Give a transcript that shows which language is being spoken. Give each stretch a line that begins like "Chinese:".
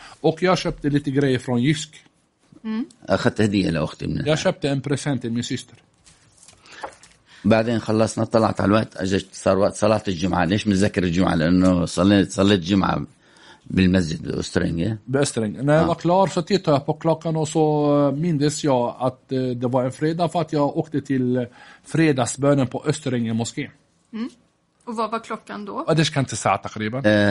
Swedish: Och jag köpte lite grejer från Jysk. Mm. Jag köpte en present till min syster.
Arabic: بعدين خلصنا طلعت على الوقت اجت صار وقت صلاة الجمعة. ليش متذكر الجمعة؟ لأنه صليت جمعة بالمسجد بأسترينج. بأسترينج.
Swedish: När jag var klar så tittade jag på klockan och så mindes jag att det var en fredag för att jag åkte till fredagsbönen på Österängen moské. Mm. Och vad var klockan då? Ja, det ska inte säga takriban.